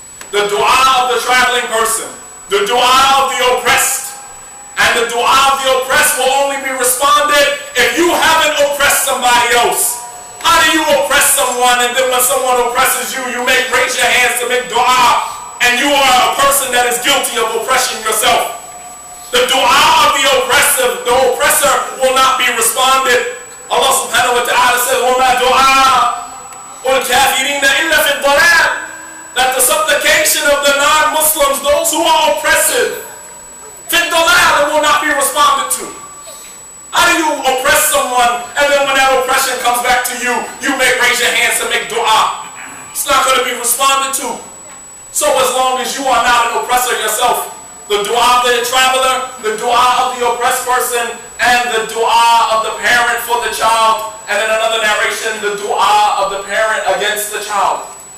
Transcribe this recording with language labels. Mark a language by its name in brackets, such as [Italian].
[English] The dua of the traveling person, the dua of the oppressed, and the dua of the oppressed will only be responded if you haven't oppressed somebody else. How do you oppress someone and then when someone oppresses you, you may raise your hands to make dua and you are oppressed? person that is guilty of oppression yourself. The dua of the oppressive, the oppressor will not be responded. Allah subhanahu wa ta'ala said, [Arabic] وَمَا دُعَاءُ الْكَافِرِينَ إِلَّا فِي الضَّلَالِ. [English] That the supplication of the non-Muslims, those who are oppressive, [Arabic] فِي الضَّلَالِ, [English] will not be responded to. How do you oppress someone, and then when that oppression comes back to you, you may raise your hands to make dua? It's not going to be responded to. So as long as you are not an oppressor yourself, the dua of the traveler, the dua of the oppressed person, and the dua of the parent for the child, and in another narration, the dua of the parent against the child.